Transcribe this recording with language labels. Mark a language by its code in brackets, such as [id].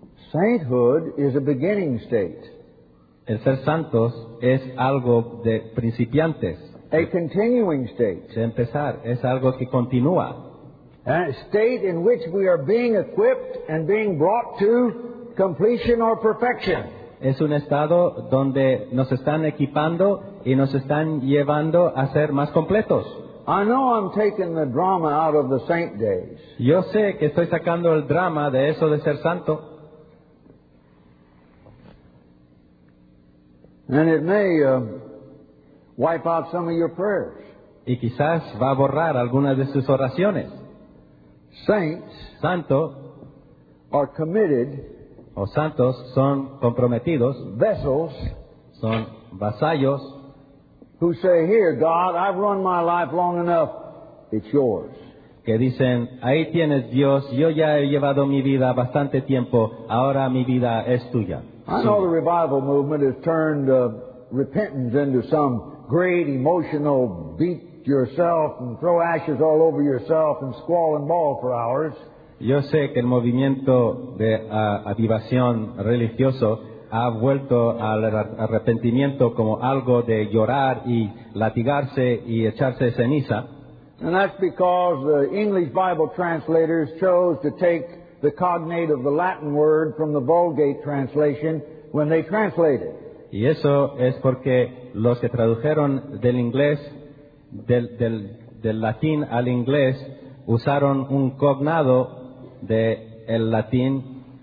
[en] Sainthood is a beginning state. [es] El ser santos es algo de principiantes. [en] A continuing state. [es] De empezar. Es algo que continúa. [en] A state in which we are being equipped and being brought to completion or perfection. [es] Es un estado donde nos están equipando y nos están llevando a ser más completos. [en] I know I'm taking the drama out of the saint days. [es] Yo sé que estoy sacando el drama de eso de ser santo. [en] And it may wipe out some of your prayers. [es] Y quizás va a borrar algunas de sus oraciones. [en] Saints, [es] santo, [en] are committed. [es] O santos son comprometidos. [en] Vessels, [es] son vasallos. [en] Who say, "Here, God, I've run my life long enough. It's yours." [es] Que dicen, ahí tienes Dios. Yo ya he llevado mi vida bastante tiempo. Ahora mi vida es tuya. [en] I know the revival movement has turned repentance into some great emotional beat yourself and throw ashes all over yourself and squall and bawl for hours. [es] Yo sé que el movimiento de avivación religioso ha vuelto al arrepentimiento como algo de llorar y latigarse y echarse ceniza. [en] And that's because the English Bible translators chose to take the cognate of the Latin word from the Vulgate translation when they translated. [es] Y eso es porque los que tradujeron del inglés, del latín al inglés, usaron un cognado de el latín.